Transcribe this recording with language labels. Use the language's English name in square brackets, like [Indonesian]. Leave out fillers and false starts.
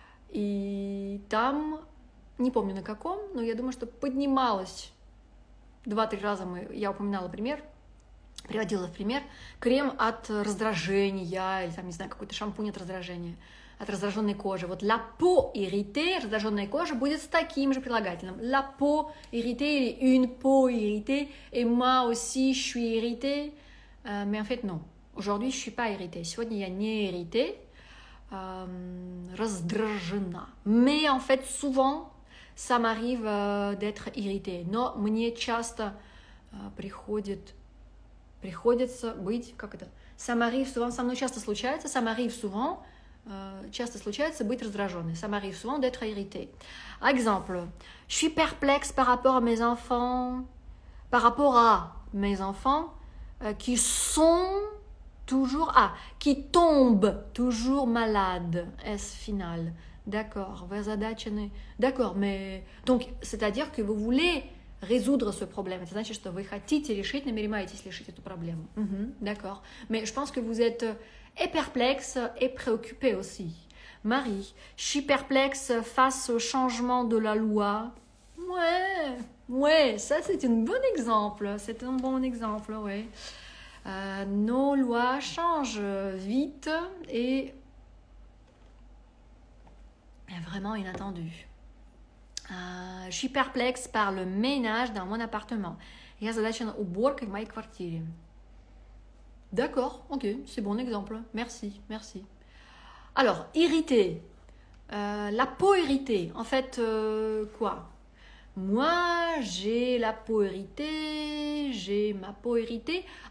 [Russian] И там, не помню на каком, но я думаю, что поднималось 2-3 раза. Я упоминала пример, приводила в пример крем от раздражения, или там, не знаю, какой-то шампунь от раздражения. от раздраженной кожи. Вот [French] la peau irritée, [Russian] раздраженная кожа, будет с таким же прилагательным. [French] La peau irritée или une peau irritée. Et moi aussi, je suis irritée. Mais en fait, non. Aujourd'hui, je suis pas irritée. [Russian] Сегодня я не irritée. Раздражена. [French] Mais en fait, souvent, ça m'arrive d'être irritée. [Russian] Но мне часто приходится быть, как это? [French] Ça m'arrive souvent, [Russian] со мной часто случается, ça m'arrive souvent, часто случается быть раздражённой. [French] Ça m'arrive souvent d'être irritée. Exemple, je suis perplexe par rapport à mes enfants, par rapport à mes enfants qui sont toujours, qui tombent toujours malades. Est-ce final? D'accord, vous [Russian] задачены. [French] D'accord, mais... Donc, c'est-à-dire que vous voulez résoudre ce problème. [Russian] Это значит, что вы хотите решить, намереваетесь решить эту проблему. [French] D'accord. Mais je pense que vous êtes et perplexe et préoccupée aussi. Marie, je suis perplexe face au changement de la loi. Ouais, ça c'est un bon exemple. C'est un bon exemple, ouais. Nos lois changent vite et... est vraiment inattendu. Je suis perplexe par le ménage dans mon appartement. [Russian] Я задачена уборкой в моей квартире. [French] D'accord, ok, c'est bon exemple. Merci. Alors, irritée. La peau irritée. En fait, quoi? Moi, j'ai la peau irritée, j'ai ma peau irritée.